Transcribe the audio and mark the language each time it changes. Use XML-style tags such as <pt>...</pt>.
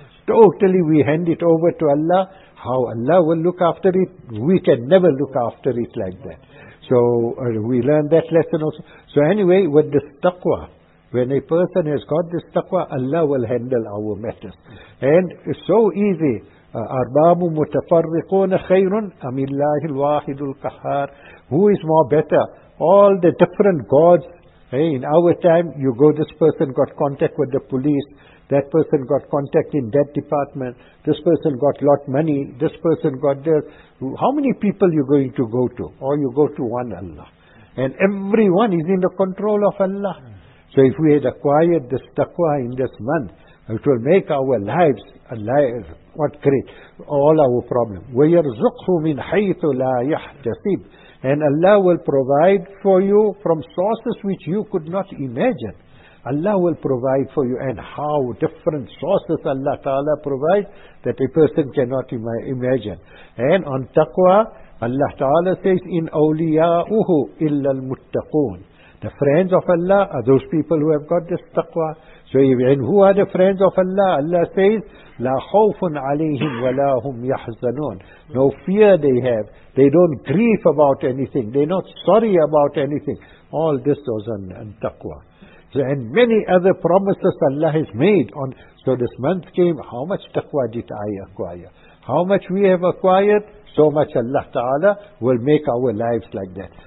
<en>Totally we hand it over to Allah, how Allah will look after it, we can never look after it like that. So we learn that lesson also. So anyway, with this taqwa, when a person has got this taqwa, Allah will handle our matters. And it's so easy.</en> <ar>أرباب متفرقون خير أم الله الواحد القهار.</ar> <en>Who is more better? All the different gods. Hey, in our time, you go, this person got contact with the police, that person got contact in that department, this person got a lot of money, this person got this. How many people you going to go to? Or you go to one Allah. And everyone is in the control of Allah. So if we had acquired this taqwa in this month, it will make our lives alive. What great. All our problems.</en> <ar>وَيَرْزُقْهُ مِنْ حَيْثُ لَا يَحْتَسِبُ.</ar> <en>And Allah will provide for you from sources which you could not imagine. Allah will provide for you. And how different sources Allah Ta'ala provides that a person cannot imagine. And on taqwa, Allah Ta'ala says,</en> <ar>in awliya'uhu illa al-muttaqoon.</ar> <en>The friends of Allah are those people who have got this taqwa. So, and who are the friends of Allah?</en> <ar>Allah says, لا خوف عليهم ولا هم يحزنون.</ar> <en>No fear they have. They don't grieve about anything. They're not sorry about anything. All this was on taqwa. So, and many other promises Allah has made. On so this month came, how much taqwa did I acquire? How much we have acquired? So much Allah Ta'ala will make our lives like that.</en>